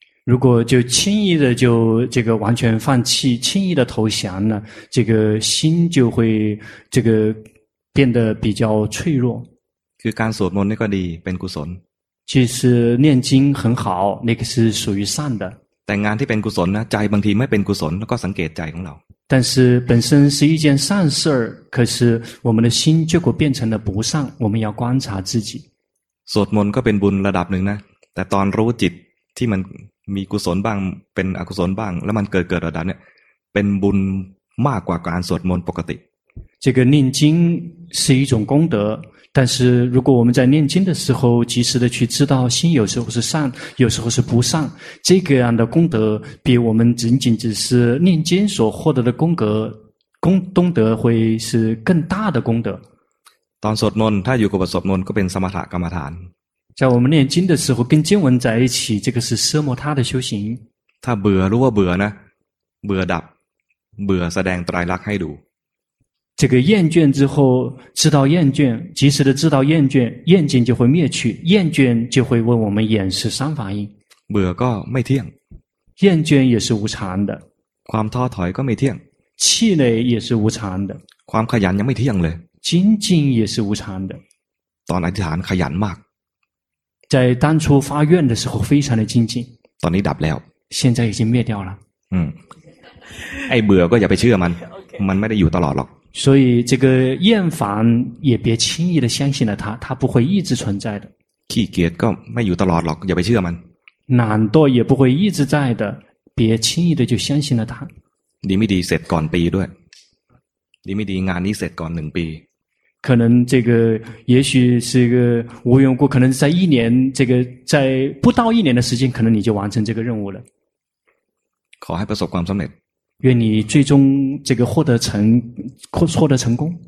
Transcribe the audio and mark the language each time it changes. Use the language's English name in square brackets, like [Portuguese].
[Chinese] 如果就轻易的就这个完全放弃轻易的投降呢这个心就会这个变得比较脆弱 [Thai] คือการสวดมนต์นี่ก็ดีเป็นกุศล [Chinese] 其实念经很好那个是属于善的 [Thai] แต่งานที่เป็นกุศลนะใจบางทีไม่เป็นกุศลแล้วก็สังเกตใจของเรา [Chinese] 但是本身是一件善事可是我们的心结果变成了不善我们要观察自己 [Thai] สวดมนต์ก็เป็นบุญระดับหนึ่งนะแต่ตอนรู้จิตที่มันมีกุศลบ้างเป็นอกุศลบ้างแล้วมันเกิดระดับเนี่ยเป็นบุญมากกว่าการสวดมนต์ปกติ [Chinese] 这个念经是一种功德但是如果我们在念经的时候及时的去知道心有时候是善有时候是不善这个样的功德比我们仅仅只是念经所获得的功德会是更大的功德 [Thai] ตอนสวดมนต์ถ้าอยู่กับสวดมนต์ก็เป็นสมถะกรรมฐาน [Chinese] 在我们念经的时候跟经文在一起这个是奢摩他的修行 [Thai] 他เบื่อรู้ว่าเบื่อนะเบื่อดับเบื่อแสดงตรายลักษณ์ให้ดู [Chinese] 这个厌倦之后知道厌倦及时的知道厌倦厌倦就会灭去厌倦就会为我们演示三法印 [Thai] เบื่อก็ไม่เที่ยง [Chinese] 厌倦也是无常的 [Thai] ความท้อถอยก็ไม่เที่ยง [Chinese] 气馁也是无常的 [Thai] ความขยันยังไม่เที่ยงเลย [Chinese] 精进也是无常的 [Thai] ตอนอธิษฐานขยันมาก [Chinese] 在当初发愿的时候非常的精进 [Thai] ตอนนี้ดับแล้ว [Chinese] 现在已经灭掉了 [Thai] ไอ้เบื่อก็อย่าไปเชื่อมัน okay. มันไม่ได้อยู่ตลอดหรอก [Chinese] 所以这个厌烦也别轻易的相信了它不会一直存在的 [Thai] ขี้เกียจก็ไม่อยู่ตลอดหรอกอย่าไปเชื่อมัน [Chinese] 懒惰也不会一直在的别轻易的就相信了它 [Thai] ดีไม่ดีเสร็จก่อนปีด้วยดีไม่ดีงานนี้เสร็จก่อนหนึ่งปี [Chinese] 可能这个也许是一个无缘故可能在一年这个在不到一年的时间可能你就完成这个任务了 [Thai] ขอให้ประสบความสำเร็จ [Chinese] 愿你最终这个获得成功